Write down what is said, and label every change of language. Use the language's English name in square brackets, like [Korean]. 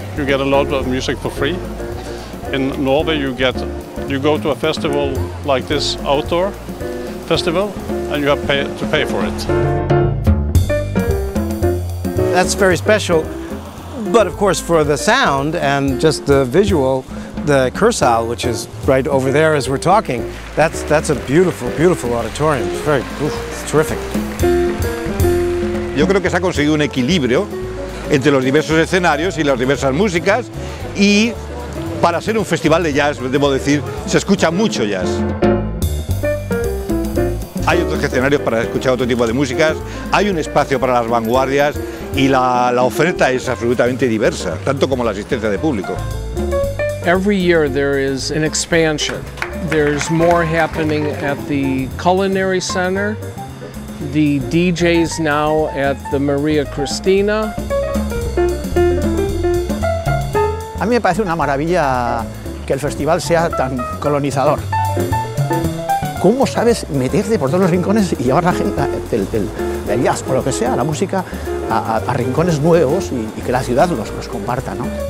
[English] You get a lot of music for free. In Norway, you go to a festival like this outdoor festival, and you have to pay for it. That's very special, but of course for the sound and just the visual. The Kursaal, which is right over there as we're talking, that's a beautiful, beautiful auditorium. It's very, it's terrific. [Spanish] Yo creo que se ha conseguido un equilibrio entre los diversos escenarios y las diversas músicas, y para ser un festival de jazz, debo decir, se escucha mucho jazz. Hay otros escenarios para escuchar otro tipo de músicas, hay un espacio para las vanguardias y la oferta es absolutamente diversa, tanto como la asistencia de público. [English] Every year there is an expansion. There's more happening at the Culinary Center, the DJs now at the Maria Cristina. [Spanish] A mí me parece una maravilla que el festival sea tan colonizador. ¿Cómo sabes meterte por todos los rincones y llevar la gente del jazz o lo que sea, la música, a rincones nuevos y que la ciudad los comparta, ¿no?